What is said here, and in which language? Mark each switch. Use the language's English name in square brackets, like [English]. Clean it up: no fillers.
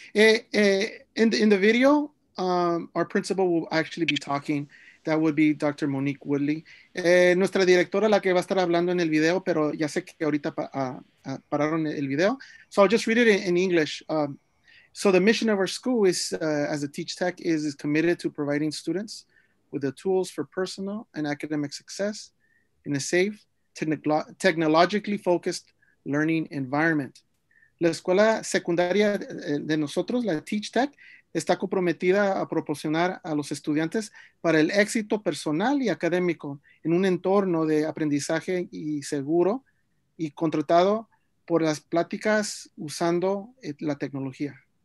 [English] In the video, our principal will actually be talking. That would be Dr. Monique Woodley. [Spanish] Nuestra directora, la que va a estar hablando en el video, pero ya sé que ahorita pararon el video. [English] So I'll just read it in English. So the mission of our school is, as a Teach Tech, is committed to providing students with the tools for personal and academic success in a safe, technologically focused learning environment. [Spanish] La escuela secundaria de nosotros, la Teach Tech, está comprometida a proporcionar a los estudiantes para el éxito personal y académico en un entorno de aprendizaje y seguro y contratado por las pláticas usando la tecnología.